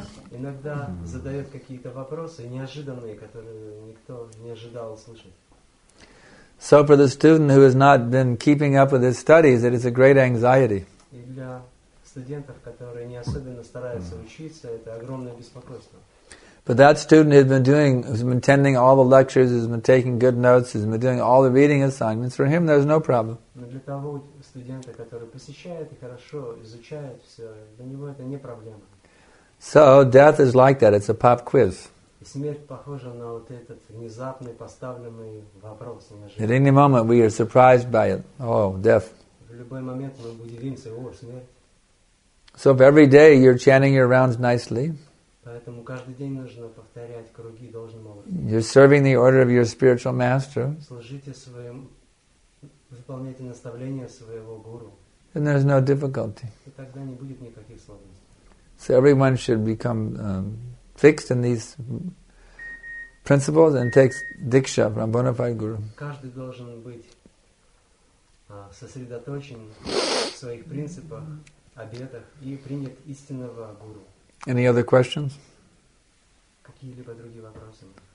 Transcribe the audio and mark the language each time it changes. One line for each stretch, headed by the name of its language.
Russian: Иногда задает какие-то вопросы неожиданные, которые никто не ожидал услышать.
English: So for the student who has not been keeping up with his studies, it is a great anxiety.
Russian: И для студентов, которые не особенно стараются учиться, это огромное беспокойство.
English: But that student has been attending all the lectures, has been taking good notes, has been doing all the reading assignments. For him, there's no problem.
Russian: Но для того студента, который посещает и хорошо изучает все, для него это не проблема.
English: So death is like that. It's a pop quiz.
Russian: Смерть похожа на вот этот внезапный поставленный вопрос.
English: At any moment we are surprised by it. Oh, death.
Russian: В любой момент мы удивимся. О, смерть.
English: So if every day you're chanting your rounds nicely.
Russian: Поэтому каждый день нужно повторять круги должным образом.
English: You're serving the order of your spiritual master.
Russian: Служите своим, выполняйте наставления своего гуру.
English: And there's no difficulty.
Russian: И тогда не будет никаких сложностей.
English: So everyone should become fixed in these principles and take diksha from bona fide guru.
Russian: Каждый должен быть сосредоточен в своих принципах, обетах и принят истинного гуру.
English: Any other questions?
Russian: Какие-либо другие вопросы?